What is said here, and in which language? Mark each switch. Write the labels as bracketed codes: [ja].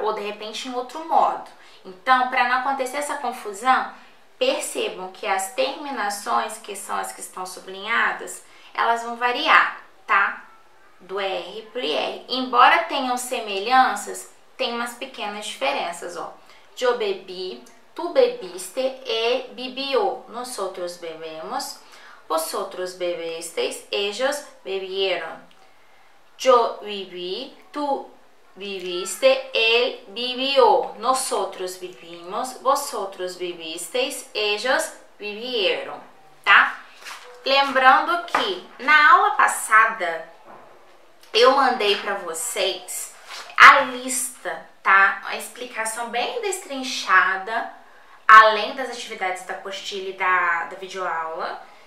[pt] Ou de repente em outro modo. Então, para não acontecer essa confusão, percebam que as terminações, que são as que estão sublinhadas, elas vão variar, tá? Do R pro IR. Embora tenham semelhanças, tem umas pequenas diferenças, ó. [es] Yo bebi, tu bebiste e bibió. Nosotros bebemos. Vosotros bebesteis, ellos bebieron. Yo viví, tú viviste, él vivió. Nosotros vivimos, vosotros vivisteis, ellos vivieron, tá? [pt] Lembrando que na aula passada eu mandei para vocês a lista, tá? A explicação bem destrinchada, além das atividades da apostila e da videoaula.